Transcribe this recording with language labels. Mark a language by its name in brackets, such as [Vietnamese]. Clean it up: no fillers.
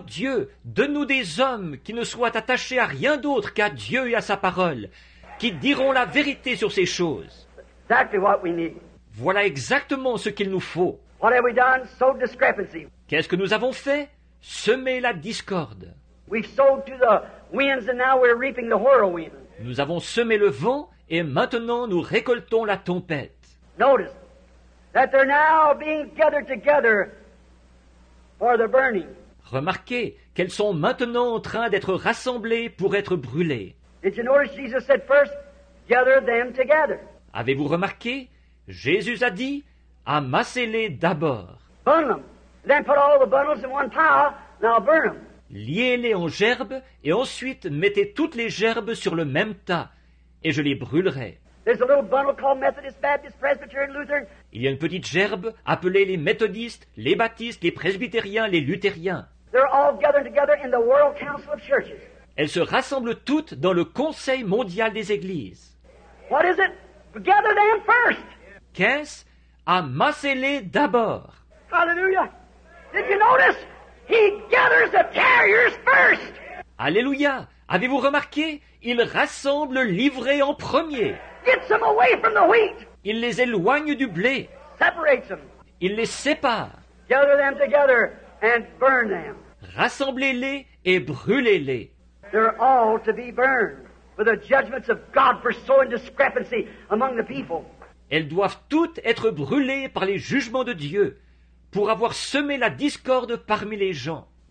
[French] Dieu, donne-nous des hommes qui ne soient attachés à rien d'autre qu'à Dieu et à sa parole, qui diront la vérité sur ces choses. [English] Exactly what we need. [French] Voilà exactement ce qu'il nous faut. [English] What have we done? So discrepancy. [French] Qu'est-ce que nous avons fait? Semer la discorde. [English] We've sowed to the winds and now we're reaping the whirlwind. [French] Nous avons semé le vent et maintenant nous récoltons la tempête. [English] Notice that they're now being gathered together for the burning. [French] Remarquez qu'elles sont maintenant en train d'être rassemblées pour être brûlées. [English] Did you notice Jesus said first, gather them together? [French] Avez-vous remarqué? Jésus a dit, amassez-les d'abord. [English] Burn them. Then put all the bundles in one pile, now burn them. [French] Liez-les en gerbes et ensuite mettez toutes les gerbes sur le même tas et je les brûlerai. [English] There's a little bundle called Methodist, Baptist, Presbyterian, Lutheran. [French] Il y a une petite gerbe appelée les méthodistes, les baptistes, les presbytériens, les luthériens. [English] They're all gathered together in the World Council of Churches. [French] Elles se rassemblent toutes dans le Conseil mondial des églises. [English] What is it? Gather them first. [French] Qu'est-ce? Amassez-les d'abord. [English] Hallelujah. Did you notice? He gathers the carriers first. [French] Alléluia. Avez-vous remarqué? Il rassemble le livré en premier. [English] Gets them away from the wheat. [French] Il les éloigne du blé. [English] Separates them. [French] Il les sépare. [English] Gather them together and burn them. [French] Rassemblez-les et brûlez-les. [English] They're all to be burned for the judgments of God for sowing discrepancy among the people. [French] Elles doivent toutes être brûlées par les jugements de Dieu pour avoir semé la discorde parmi les gens.